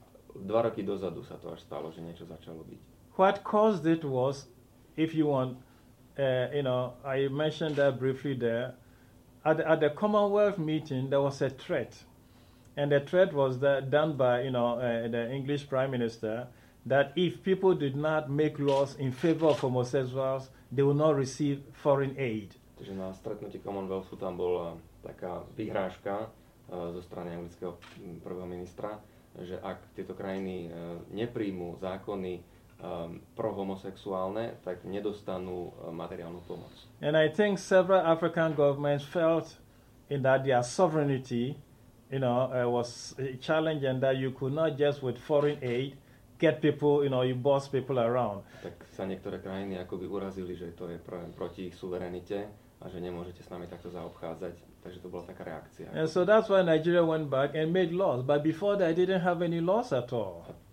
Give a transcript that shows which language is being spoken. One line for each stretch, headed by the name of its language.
Slovak: 2 roky dozadu sa to až stalo, že niečo začalo byť.
English: What caused it was, if you want, I mentioned that briefly there, at the Commonwealth meeting, there was a threat. And the threat was that done by, the English Prime Minister, that if people did not make laws in favor of homosexuals, they will not receive foreign aid.
Slovak: Takže na stretnutí Commonwealthu tam bola taká vyhráška zo strany anglického prvého ministra, že ak tieto krajiny nepríjmú zákony prohomosexuálne, tak nedostanú materiálnu pomoc.
English: And I think several African governments felt in that their sovereignty, was challenged and that you could not just with foreign aid get people, you boss people around.
Slovak: Tak sa niektoré krajiny akoby urazili, že to je proti ich suverenite a že nemôžete s nami takto zaobchádzať. Takže to bola taká reakcia.
English: And so that's why Nigeria went back and made laws. But before that, I didn't have any laws at all.